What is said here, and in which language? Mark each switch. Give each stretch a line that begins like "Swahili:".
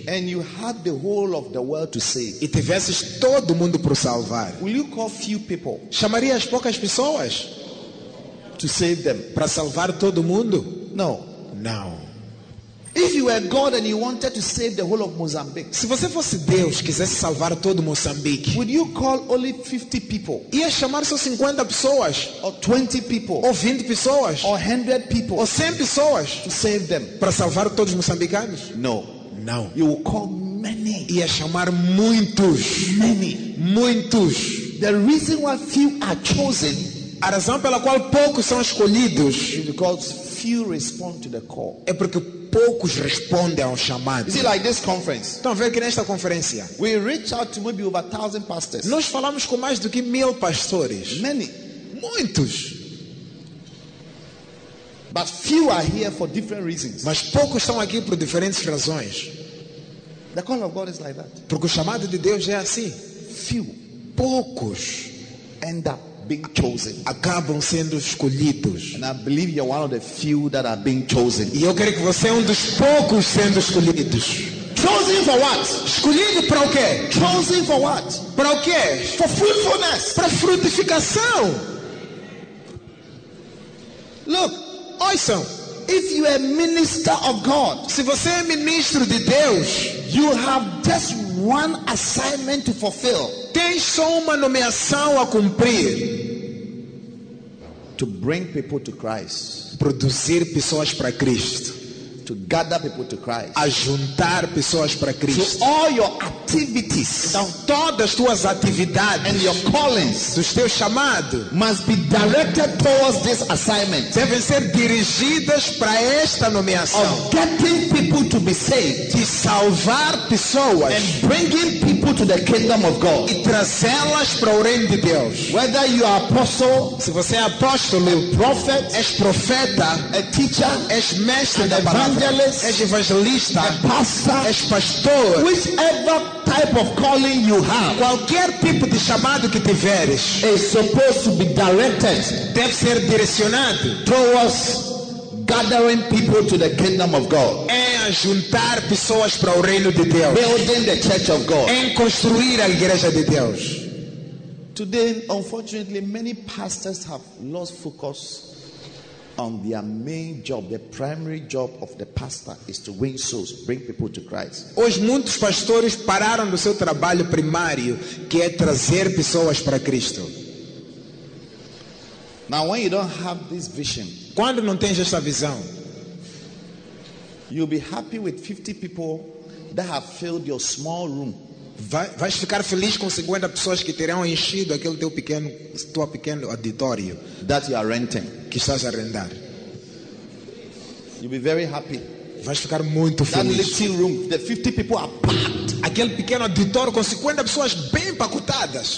English: and you had the whole of the world to save,
Portuguese: e tivesses todo mundo para salvar,
English: will you call few people?
Portuguese: Chamarias poucas pessoas?
English: To save them.
Portuguese: Para salvar todo mundo?
English: No.
Portuguese: Não.
English: If you were God and you wanted to save the whole of Mozambique,
Portuguese: se você fosse Deus e quisesse salvar todo Moçambique,
English: would you call only 50 people?
Portuguese: Ia chamar só 50 pessoas?
English: Or 20 people?
Portuguese: Ou 20 pessoas?
English: Or 100 people?
Portuguese: Ou 100 pessoas?
English: To save them.
Portuguese: Para salvar todos moçambicanos?
English: No.
Portuguese: Não.
English: You will call many.
Portuguese: Ia chamar muitos.
English: Many.
Portuguese: Muitos.
English: The reason why few are chosen.
Portuguese: A razão pela qual poucos são escolhidos
English: because few respond to the call.
Portuguese: É porque poucos respondem ao chamado.
English: Is it like this conference?
Portuguese: Então vê que nesta conferência,
English: we reach out to maybe over 1,000 pastors.
Portuguese: Nós falamos com mais do que 1,000 pastores.
English: Many.
Portuguese: Muitos.
English: But few are here for different reasons.
Portuguese: Mas poucos estão aqui por diferentes razões.
English: The call of God is like that.
Portuguese: Porque o chamado de Deus é assim.
English: Few.
Portuguese: Poucos
English: end up being chosen.
Portuguese: Acabam sendo escolhidos.
English: And I believe you're one of the few that are being chosen.
Portuguese: E eu creio que você é um dos poucos sendo escolhidos.
English: Chosen for what?
Portuguese: Escolhido para o quê?
English: Chosen for what?
Portuguese: Para o quê?
English: For fruitfulness.
Portuguese: Para frutificação.
English: Look, awesome. If you are a minister of God,
Portuguese: se você é ministro de Deus,
English: you have just one assignment to fulfill.
Portuguese: Tem só uma nomeação a cumprir.
English: To bring people to Christ.
Portuguese: Produzir pessoas para Cristo.
English: To gather people to Christ.
Portuguese: Ajuntar pessoas para Cristo.
English: So all your activities,
Portuguese: então todas as tuas atividades,
English: and your callings,
Portuguese: os teus chamados,
English: must be directed towards this assignment.
Portuguese: Devem ser dirigidas para esta nomeação.
English: Of getting people to be saved,
Portuguese: de salvar pessoas,
English: and bringing people to the kingdom of God,
Portuguese: e trazê-las para o reino de Deus.
English: Whether you are apostle,
Portuguese: se você é apóstolo,
English: a prophet,
Portuguese: és profeta,
English: a teacher,
Portuguese: és mestre da palavra. És evangelista, pastor, és pastor,
English: whichever type of calling you have,
Portuguese: qualquer tipo de chamado que tiveres,
English: is supposed to be directed,
Portuguese: deve ser direcionado,
English: towards gathering people to the kingdom of God,
Portuguese: é juntar pessoas para o reino de Deus,
English: building the church of God,
Portuguese: em construir a igreja de Deus.
English: Today, unfortunately, many pastors have lost focus on their main job. The primary job of the pastor is to win souls, bring people to Christ.
Portuguese: Hoje muitos pastores pararam do seu trabalho primário, que é trazer pessoas para Cristo.
English: Now, when you don't have this vision,
Portuguese: quando não tens esta visão,
English: you'll be happy with 50 people that have filled your small room.
Portuguese: Vais ficar feliz com 50 pessoas que terão enchido aquele teu pequeno, tua pequeno auditório
English: that you are renting,
Portuguese: que estás a arrendar.
English: You'll be very happy.
Portuguese: Vais ficar muito
English: that
Portuguese: feliz.
English: That little room, the 50 people are packed.
Portuguese: Aquele pequeno auditório com 50 pessoas bem pacotadas.